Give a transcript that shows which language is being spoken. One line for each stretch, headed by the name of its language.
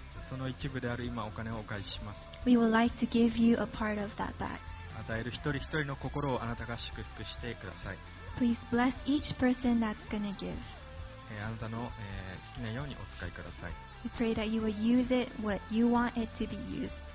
Japanese: その一部である今お金をお返しします。
English: We would like to give you a part of that back.
Japanese: 与える一人一人の心をあなたが祝福してください。
English: Please bless each person that's going to give.
Japanese: あなたの、好きなようにお使いください。
English: We pray that you will use it what you want it to be used.